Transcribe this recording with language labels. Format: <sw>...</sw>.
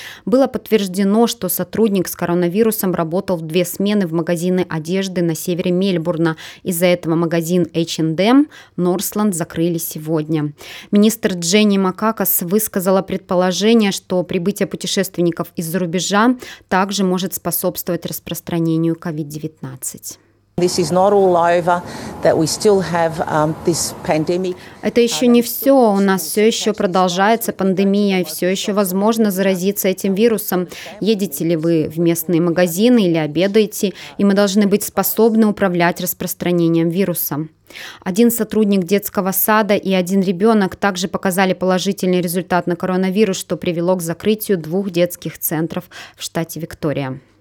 <ru>Было подтверждено, что сотрудник с коронавирусом работал в две смены в магазины одежды на севере Мельбурна. Из-за этого магазин H&M Northland закрыли сегодня. Министр Дженни Макакос высказала предположение, что прибытие путешественников из-за рубежа также может способствовать распространению COVID-19.</ru> <en>This is not all over, that we still have this pandemic.</en> <ru>Это еще не все. У нас все еще продолжается пандемия, и все еще возможно заразиться этим вирусом. Едете ли вы в местные магазины или обедаете, и мы должны быть способны управлять распространением вируса. Один сотрудник детского сада и один ребенок также показали положительный результат на коронавирус, что привело к закрытию двух детских центров в штате Виктория.</ru>